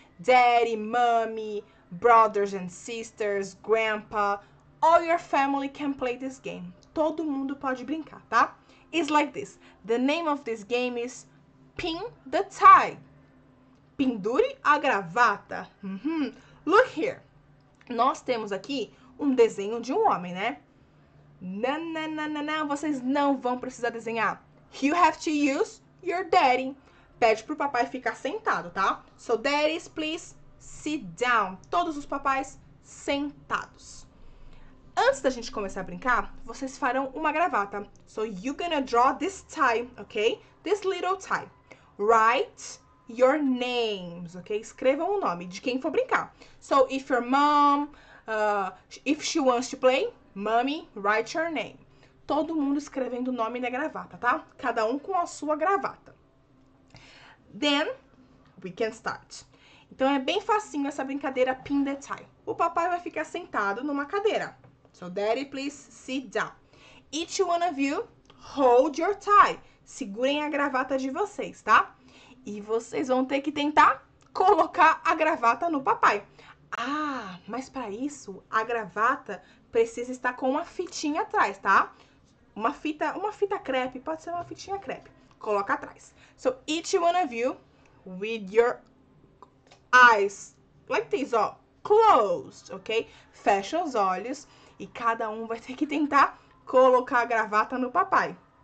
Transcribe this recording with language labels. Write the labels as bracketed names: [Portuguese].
[English] Daddy, mommy, brothers and sisters, grandpa, all your family can play this game. [Portuguese] Todo mundo pode brincar, tá? [English] It's like this. The name of this game is Pin the Tie. [Portuguese] Pendure a gravata. [English] Look here. [Portuguese] Nós temos aqui um desenho de um homem, né? Não, vocês não vão precisar desenhar. [English] You have to use your daddy. [Portuguese] Pede pro papai ficar sentado, tá? [English] So, daddies, please sit down. [Portuguese] Todos os papais sentados. Antes da gente começar a brincar, vocês farão uma gravata. [English] So you're gonna draw this tie, okay? This little tie. Write your names, okay? [Portuguese] Escrevam o nome de quem for brincar. [English] So if your mom, if she wants to play, mommy, write your name. [Portuguese] Todo mundo escrevendo o nome na gravata, tá? Cada um com a sua gravata. [English] Then we can start. [Portuguese] Então é bem facinho essa brincadeira pin the tie. O papai vai ficar sentado numa cadeira. [English] So, Daddy, please sit down. Each one of you, hold your tie. [Portuguese] Segurem a gravata de vocês, tá? E vocês vão ter que tentar colocar a gravata no papai. Ah, mas para isso, a gravata precisa estar com uma fitinha atrás, tá? Uma fita crepe, pode ser uma fitinha crepe. Coloca atrás. [English] So, each one of you, with your eyes like this, ó, closed, ok? [Portuguese] Fecha os olhos. E cada um vai ter que tentar colocar a gravata no papai.